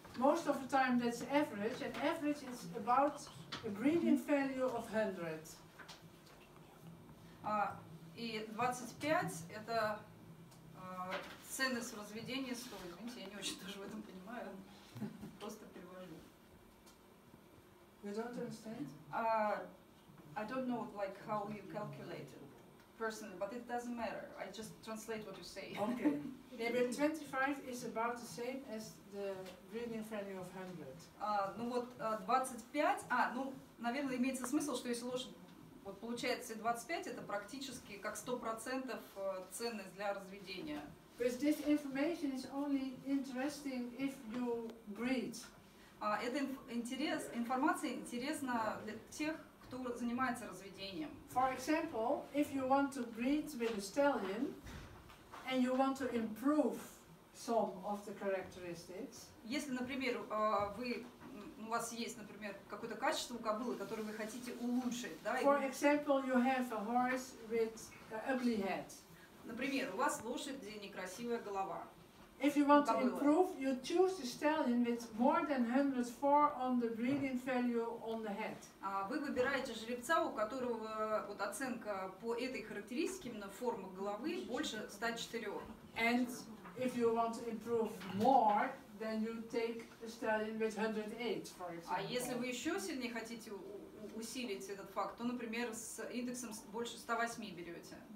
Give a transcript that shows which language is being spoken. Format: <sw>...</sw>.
<en>Most of the time that's average, and average is about a breeding value of 100.</en> <ru>И 25 это ценность разведения 100. Извините, я не очень тоже в этом понимаю. Просто перевожу.</ru> <en>You don't understand? I don't know like how you calculate it personally, but it doesn't matter. I just translate what you say. Okay. Maybe 25 is about the same as the breeding value of 100.</en> <ru>Ну вот 25. Ну, наверное, имеется смысл, что если лошадь вот получает 25, это практически как 100% ценность для разведения.</ru> <en>But this information is only interesting if you breed.</en> <ru>Эта информация интересна для тех, кто занимается разведением.</ru> <en>For example, if you want to breed with a stallion and you want to improve some of the characteristics.</en> <ru>Если, например, у вас есть, например, какое-то качество у кобылы, которое вы хотите улучшить, да?</ru> <en>For example, you have a horse with an ugly head.</en> <ru>Например, у вас лошадь, некрасивая голова.</ru> <en>If you want to improve, you choose the stallion with more than 104 on the breeding value on the head.</en> <ru>Вы выбираете жеребца, у которого вот оценка по этой характеристике, именно форма головы, больше 104.</ru> <en>And if you want to improve more, then you take a stallion with 108, for example.</en> <ru>А если вы еще сильнее хотите усилить этот факт, то, например, с индексом больше 108 берете.</ru>